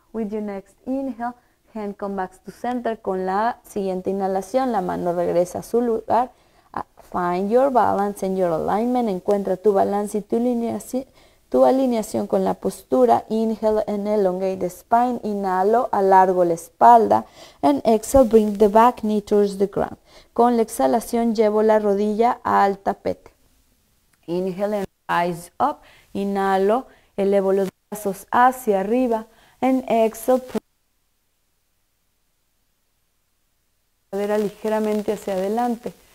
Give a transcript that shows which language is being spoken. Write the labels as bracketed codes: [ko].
[en] With your next inhale, hand come back to center. [es] Con la siguiente inhalación, la mano regresa a su lugar. [en] Find your balance and your alignment. [es] Encuentra tu balance y tu alineación con la postura. [en] Inhale and elongate the spine. [es] Inhalo, alargo la espalda. [en] And exhale, bring the back knee towards the ground. [es] Con la exhalación, llevo la rodilla al tapete. [en] Inhale and rise up. [es] Inhalo, elevo los brazos hacia arriba. [en] And exhale, pull [es] la cadera ligeramente hacia adelante.